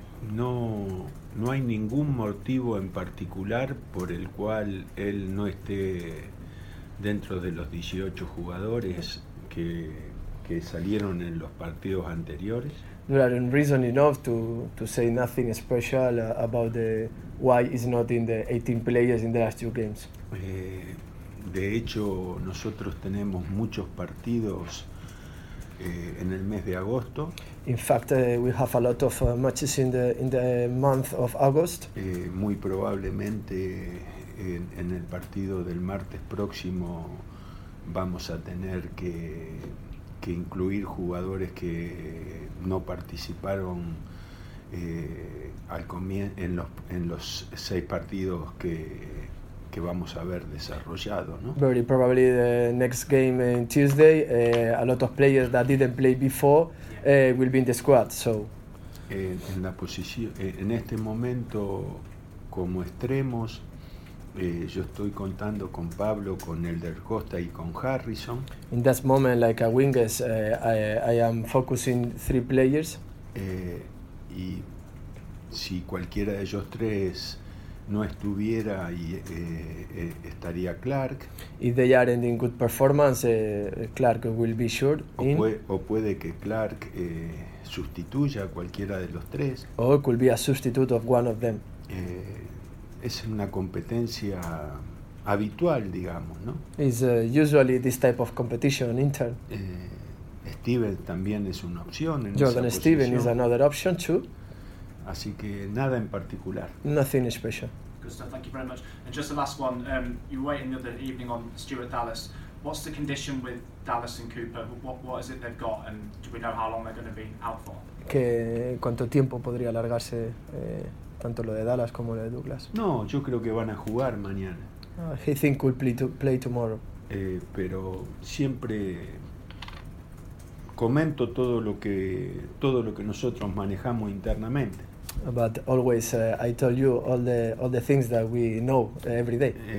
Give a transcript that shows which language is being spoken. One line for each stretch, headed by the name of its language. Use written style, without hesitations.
Spanish: No hay ningún motivo en particular por el cual él no esté dentro de los 18 jugadores que salieron en los partidos anteriores.
English: There are reason enough to say nothing special about the why he's not in the 18 players in the last 2 games.
Spanish: De hecho, nosotros tenemos muchos partidos en el mes de agosto.
English: In fact, we have a lot of matches in the month of August.
Spanish: Muy probablemente en el partido del martes próximo vamos a tener que incluir jugadores que no participaron en los 6 partidos que vamos a ver desarrollado, ¿no?
English: Very probably the next game in Tuesday, a lot of players that didn't play before will be in the squad, so.
Spanish: En la posición, en este momento como extremos. Yo estoy contando con Pablo, con Elder Costa y con Harrison.
English: In that moment, like a wingers, I am focusing 3 players.
Spanish: Y si cualquiera de ellos 3 no estuviera, estaría Clark.
English: If they are in good performance, Clark will be sure.
Spanish: O puede que Clark sustituya a cualquiera de los 3.
English: Or could be a substitute of one of them.
Spanish: Es una competencia habitual, digamos, ¿no?
English: Is usually this type of competition in Inter.
Spanish: Steven también es una opción en Jordan esa posición.
English: Steven is another option too.
Spanish: Así que nada en particular.
English: Nothing special. Good stuff, thank you very much. And just the last one, you were waiting the other evening on Stuart Dallas. What's the condition with Dallas and Cooper? What is it they've got, and do we know how long they're going to be out for?
Spanish: ¿Qué, cuánto tiempo podría alargarse tanto lo de Dallas como lo de Douglas? No, yo creo que van a jugar mañana.
English: He think we'll play tomorrow.
Spanish: Pero siempre comento todo lo que nosotros manejamos internamente.
English: But always I tell you all the things that we know every day.